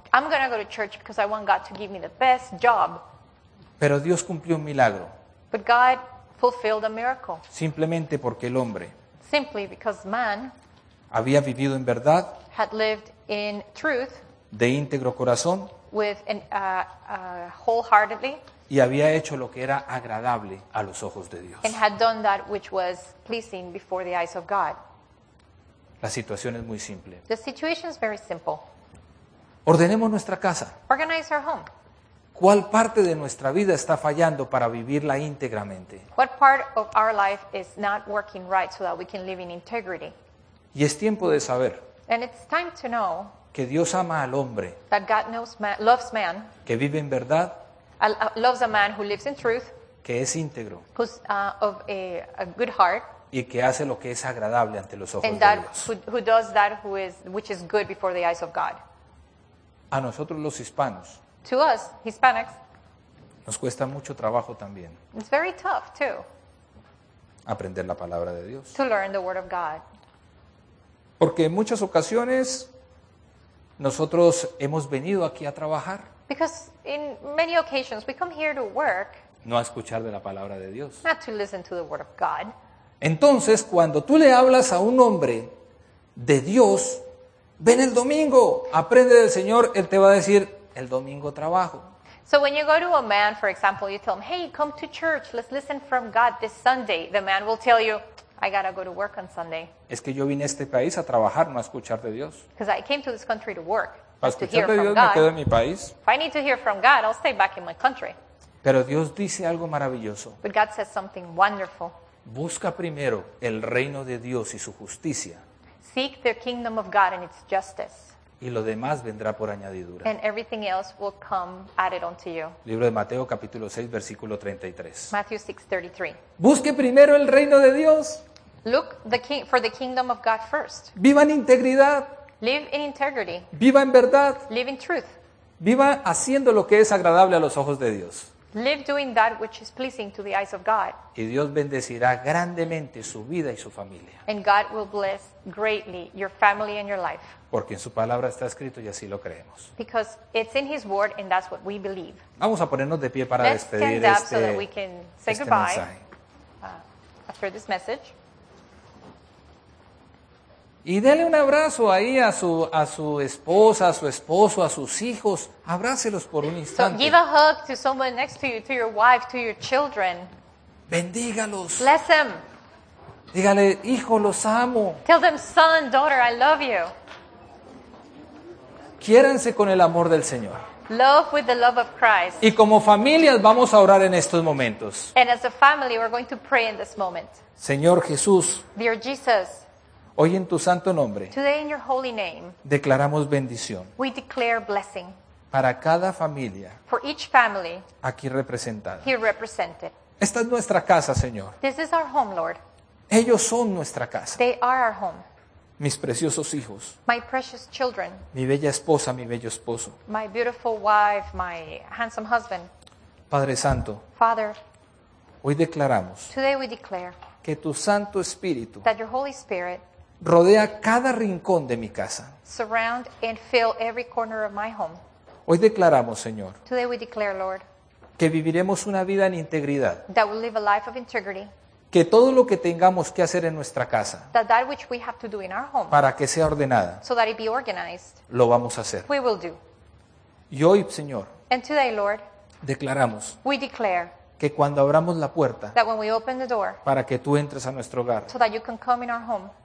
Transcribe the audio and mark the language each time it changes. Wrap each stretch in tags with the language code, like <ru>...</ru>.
<en>I'm going to go to church because I want God to give me the best job.</en> <es>Pero Dios cumplió un milagro.</es> <en>But God fulfilled a miracle.</en> <es>Simplemente porque el hombre</es> <en>simply because man</en> <es>había vivido en verdad,</es> <en>had lived in truth</en> <es>de íntegro corazón,</es> <en>with an, wholeheartedly</en> <es>y había hecho lo que era agradable a los ojos de Dios.</es> <en>And had done that which was pleasing before the eyes of God.</en> <es>La situación es muy simple.</es> <en>The situation is very simple.</en> <es>Ordenemos nuestra casa.</es> <en>Organize our home.</en> <es>¿Cuál parte de nuestra vida está fallando para vivirla íntegramente?</es> <en>What part of our life is not working right so that we can live in integrity?</en> <es>Y es tiempo de saber.</es> <en>And it's time to know</en> <es>que Dios ama al hombre.</es> <en>That God knows man, loves man.</en> <es>Que vive en verdad.</es> <en>Loves a man who lives in truth,</en> <es>que es íntegro,</es> <en>who's of a good heart,</en> <es>y que hace lo que es agradable ante los ojos</es> <en>and that,</en> <es>de Dios.</es> <en>Who does that which is good before the eyes of God.</en> <es>A nosotros los hispanos,</es> <en>to us, Hispanics,</en> <es>nos cuesta mucho trabajo también.</es> <en>It's very tough too.</en> <es>Aprender la palabra de Dios.</es> <en>To learn the word of God.</en> <es>Porque en muchas ocasiones nosotros hemos venido aquí a trabajar.</es> <en>Because in many occasions we come here to work.</en> <es>No a escuchar de la palabra de Dios.</es> <en>Not to listen to the word of God.</en> <es>Entonces, cuando tú le hablas a un hombre de Dios, ven el domingo, aprende del Señor, él te va a decir, el domingo trabajo.</es> <en>So when you go to a man, for example, you tell him, hey, come to church, let's listen from God this Sunday. The man will tell you, I gotta go to work on Sunday.</en> <es>Es que yo vine a este país a trabajar, no a escuchar de Dios.</es> <en>Because I came to this country to work.</en> <es>Para escuchar de Dios me quedo en mi país.</es> <en>If I need to hear from God, I'll stay back in my country.</en> <es>Pero Dios dice algo maravilloso.</es> <en>But God says something wonderful.</en> <es>Busca primero el reino de Dios y su justicia.</es> <en>Seek the kingdom of God and its justice.</en> <es>Y lo demás vendrá por añadidura.</es> <en>And everything else will come added unto you.</en> <es>Libro de Mateo, capítulo 6, versículo 33.</es> <en>Matthew 6:33.</en> <es>Busque primero el reino de Dios.</es> <en>Look for the kingdom of God first.</en> <es>Viva en integridad.</es> <en>Live in integrity.</en> <es>Viva en verdad.</es> <en>Live in truth.</en> <es>Viva haciendo lo que es agradable a los ojos de Dios.</es> <en>Live doing that which is pleasing to the eyes of God.</en> <es>Y Dios bendecirá grandemente su vida y su familia.</es> <en>And God will bless greatly your family and your life.</en> <es>Porque en su palabra está escrito y así lo creemos.</es> <en>Because it's in his word and that's what we believe.</en> <es>Vamos a ponernos de pie para</es> <en>Let's</en> <es>despedir</es> <en>stand up</en> <es>este,</es> <en>so that we can say</en> <es>este</es> <en>goodbye</en> <es>mensaje.</es> <en>After this message.</en> <es>Y dele un abrazo ahí a su esposa, a su esposo, a sus hijos. Abrácelos por un instante.</es> <en>So give a hug to someone next to you, to your wife, to your children.</en> <es>Bendígalos.</es> <en>Bless them.</en> <es>Dígale, hijo, los amo.</es> <en>Tell them, son, daughter, I love you.</en> <es>Quiéranse con el amor del Señor.</es> <en>Love with the love of Christ.</en> <es>Y como familias vamos a orar en estos momentos.</es> <en>And as a family, we're going to pray in this moment.</en> <es>Señor Jesús.</es> <en>Dear Jesus.</en> <es>Hoy en tu santo nombre,</es> <en>today in your holy name,</en> <es>declaramos bendición.</es> <en>We declare blessing</en> <es>para cada familia,</es> <en>for each family,</en> <es>aquí representada.</es> <en>Here represented.</en> <es>Esta es nuestra casa, Señor.</es> <en>This is our home, Lord.</en> <es>Ellos son nuestra casa.</es> <en>They are our home.</en> <es>Mis preciosos hijos.</es> <en>My precious children.</en> <es>Mi bella esposa, mi bello esposo.</es> <en>My beautiful wife, my handsome husband.</en> <es>Padre Santo.</es> <en>Father.</en> <es>Hoy declaramos.</es> <en>Today we declare.</en> <es>Que tu Santo Espíritu.</es> <en>That your Holy Spirit.</en> <es>Rodea cada rincón de mi casa.</es> <en>Surround and fill every corner of my home.</en> <es>Hoy declaramos, Señor.</es> <en>Today we declare, Lord.</en> <es>Que viviremos una vida en integridad.</es> <en>That we'll live a life of integrity.</en> <es>Que todo lo que tengamos que hacer en nuestra casa.</es> <en>That which we have to do in our home.</en> <es>Para que sea ordenada.</es> <en>So that it be organized.</en> <es>Lo vamos a hacer.</es> <en>We will do.</en> <es>Y hoy, Señor.</es> <en>And today, Lord.</en> <es>Declaramos.</es> <en>We declare.</en> <es>Que cuando abramos la puerta.</es> <en>That when we open the door.</en> <es>Para que tú entres a nuestro hogar.</es> <en>So that you can come in our home.</en>